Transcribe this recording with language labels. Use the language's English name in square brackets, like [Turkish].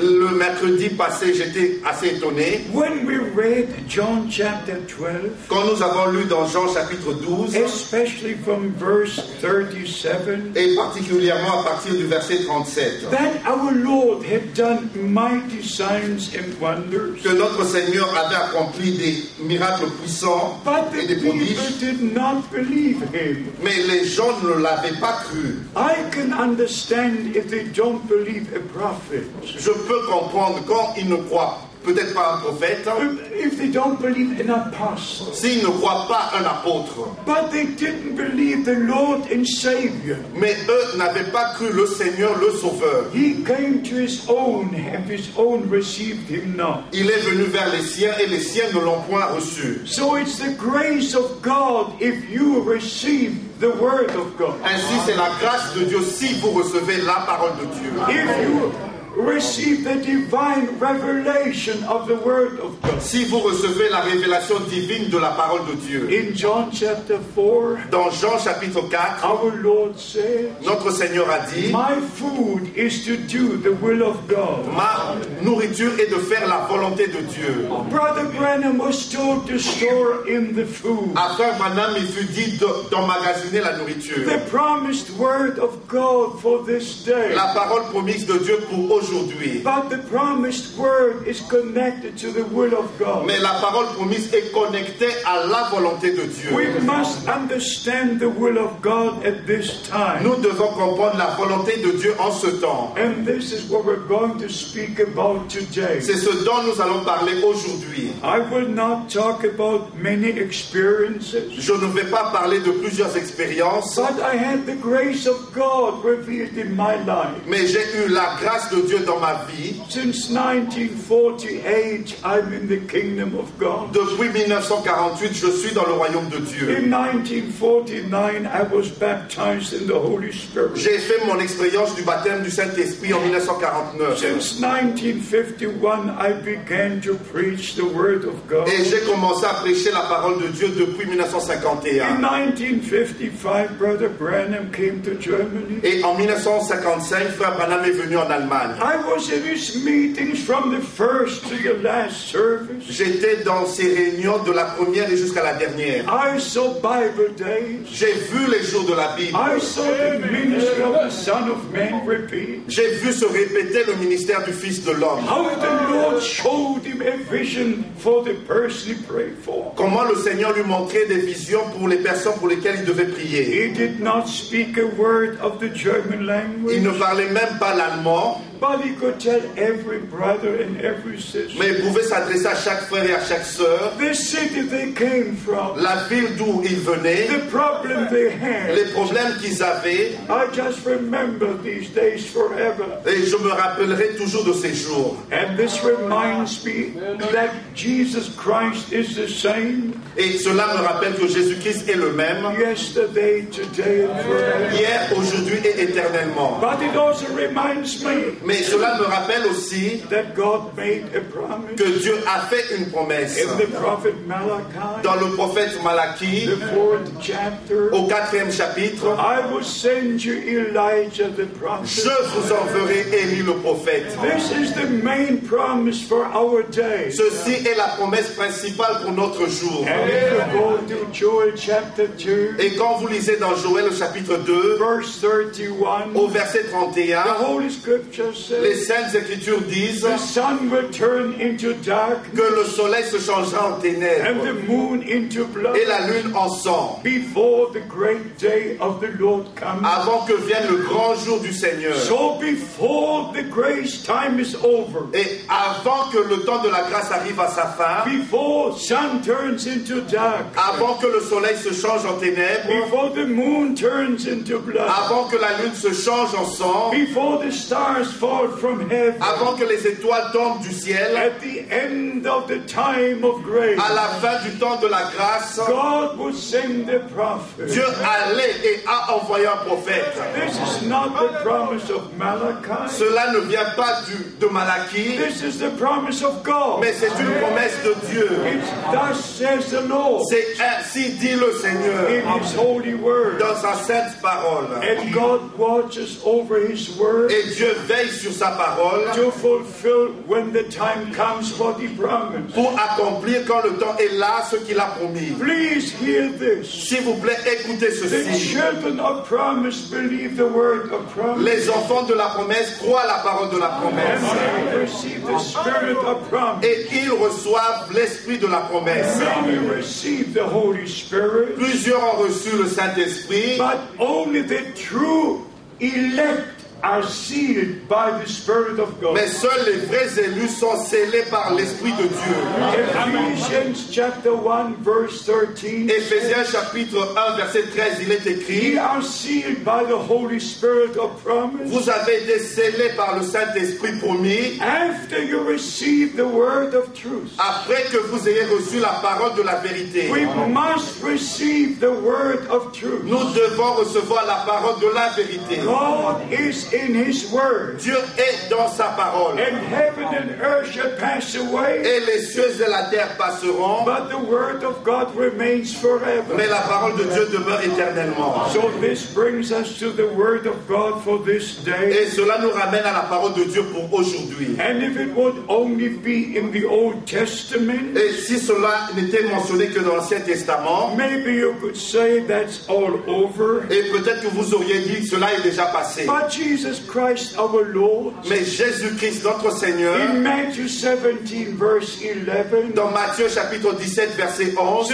[French] Le mercredi passé, j'étais assez étonné. [English] When we read John chapter 12, [French] quand nous avons lu dans Jean chapitre 12, [English] especially from verse 37, [French] et particulièrement à partir du verset 37, [English] that our Lord had done mighty signs and wonders, [French] que notre Seigneur avait accompli des miracles puissants et des [English] prodiges, but the people did not believe him. [French] Mais les gens ne l'avaient pas cru. [English] I can understand if they don't believe a prophet. [French] Je peux comprendre quand ils ne croient pas. peut-être pas un prophète. [English] If they don't believe an apostle. [French] S'ils ne croient pas un apôtre. [English] But they didn't believe the Lord and Savior. [French] Mais eux n'avaient pas cru le Seigneur, le Sauveur. [English] He came to his own, and his own received him not. [French] Il est venu vers les siens ne l'ont point reçu. [English] So it's the grace of God if you receive the word of God. [French] Ainsi c'est la grâce de Dieu si vous recevez la parole de Dieu. [English] If you receive the divine revelation of the word of God. [French] Si vous recevez la révélation divine de la parole de Dieu. [English] In John chapter 4. [French] Dans Jean chapitre 4. [English] Our Lord said. [French] Notre Seigneur a dit. [English] My food is to do the will of God. [French] Ma nourriture est de faire la volonté de Dieu. [English] Brother Branham was told to store in the food. [French] Afin Branham il fut dit d'emmagasiner la nourriture. [English] The promised word of God for this day. [French] La parole promise de Dieu pour [English] But the promised word is connected to the will of God. [French] Mais la parole promise est connectée à la volonté de Dieu. [English] We must understand the will of God at this time. [French] Nous devons comprendre la volonté de Dieu en ce temps. [English] And this is what we're going to speak about today. [French] C'est ce dont nous allons parler aujourd'hui. [English] I will not talk about many experiences. [French] Je ne vais pas parler de plusieurs expériences. [English] But I had the grace of God revealed in my life. [French] Mais j'ai eu la grâce de Dieu dans ma vie. [English] Since 1948, I'm in the kingdom of God. [French] Depuis 1948, je suis dans le royaume de Dieu. [English] In 1949, I was baptized in the Holy Spirit. [French] J'ai fait mon expérience du baptême du Saint-Esprit en 1949. [English] Since 1951, I began to preach the word of God. [French] Et j'ai commencé à prêcher la parole de Dieu depuis 1951. [English] In 1955, Brother Branham came to Germany. [French] Et en 1955, Frère Branham est venu en Allemagne. [English] I was in his meetings from the first to the last service. [French] J'étais dans ses réunions de la première et jusqu'à la dernière. [English] I saw Bible days. [French] J'ai vu les jours de la Bible. [English] I saw the ministry of the Son of Man repeat. [French] J'ai vu se répéter le ministère du Fils de l'homme. [English] How the Lord showed him a vision for the person he prayed for. [French] Comment le Seigneur lui montrait des visions pour les personnes pour lesquelles il devait prier. [English] He did not speak a word of the German language. [French] Il ne parlait même pas l'allemand. [English] But he could tell every brother and every sister. [French] Mais il pouvait s'adresser à chaque frère et à chaque sœur. [English] The city they came from. [French] La ville d'où ils venaient. [English] The problem they had. [French] Les problèmes qu'ils avaient. [English] I just remember these days forever. [French] Et je me rappellerai toujours de ces jours. [English] And this reminds me that Jesus Christ is the same. [French] Et cela me rappelle que Jésus-Christ est le même. [English] Yesterday, today, and forever. [French] Hier, aujourd'hui et éternellement. [English] But it also reminds me. [French] Mais cela me rappelle aussi [English] that God made a promise. [French] Que Dieu a fait une promesse [English] in the prophet Malachi, [French] dans le prophète Malachi [English] the fourth chapter, [French] au quatrième chapitre. [English] I will send you Elijah, the prophet. [French] Je vous enverrai Élie le prophète. [English] This is the main promise for our day. [French] Ceci est la promesse principale pour notre jour. [English] And if you go to Joel chapter 2, [French] et quand vous lisez dans Joël le chapitre 2 [English] verse 31, [French] au verset 31 [English] the Holy Spirit said, [French] les saintes écritures disent [English] the sun will turn into darkness, [French] que le soleil se changera en ténèbres [English] and the moon into blood, [French] et la lune en sang [English] before the great day of the Lord comes, [French] avant que vienne le grand jour du Seigneur. [English] So before the grace time is over, [French] et avant que le temps de la grâce arrive à sa fin, [English] before sun turns into darkness, [French] avant que le soleil se change en ténèbres, [English] before the moon turns into blood, [French] avant que la lune se change en sang, [English] before the stars fall from heaven, [French] avant que les étoiles tombent du ciel, [English] at the end of the time of grace, [French] à la fin du temps de la grâce, [English] God will send the prophet. [French] Dieu allait et a envoyé un prophète. [English] This is not the promise of Malachi. [French] Cela ne vient pas de Malachi. [English] This is the promise of God. [French] Mais c'est une promesse de Dieu. [English] Thus says the Lord. [French] C'est ainsi dit le Seigneur. [English] In his holy word. [French] Dans sa sainte parole. [English] And God watches over his word. [French] Et Dieu veille sur sa parole [English] to fulfill when the time comes what he promised. [French] Pour accomplir quand le temps est là ce qu'il a promis. [English] Please hear this. [French] S'il vous plaît, écoutez ceci. [English] The children of promise believe the word of promise. [French] Les enfants de la promesse croient la parole de la promesse. [English] And they receive the spirit of promise. [French] Et ils reçoivent l'esprit de la promesse. [English] Many receive the Holy Spirit. [French] Plusieurs ont reçu le Saint-Esprit. [English] But only the true elect are sealed by the Spirit of God. [French] Mais seuls les vrais élus sont scellés par l'Esprit de Dieu. [English] Ephesians chapter 1 verse 13. [French] Éphésiens chapitre 1 verset 13, il est écrit. [English] You are sealed by the Holy Spirit of promise. [French] Vous avez été scellés par le Saint-Esprit promis. [English] After you receive the word of truth. [French] Après que vous ayez reçu la parole de la vérité. [English] We must receive the word of truth. [French] Nous devons recevoir la parole de la vérité. [English] God is in his word. [French] Dieu est dans sa parole. [English] And heaven and earth shall pass away. [French] Et les cieux et la terre passeront. [English] But the word of God remains forever. [French] Mais la parole de Dieu demeure éternellement. [English] So this brings us to the word of God for this day. [French] Et cela nous ramène à la parole de Dieu pour aujourd'hui. [English] And if it would only be in the Old Testament. [French] Et si cela n'était mentionné que dans l'Ancien Testament. [English] Maybe you could say that's all over. [French] Et peut-être que vous auriez dit cela est déjà passé. [English] But Jesus Christ our Lord. [French] Mais Jésus Christ notre Seigneur. [English] In Matthew 17 verse 11. [French] Dans Matthieu chapitre 17 verset 11.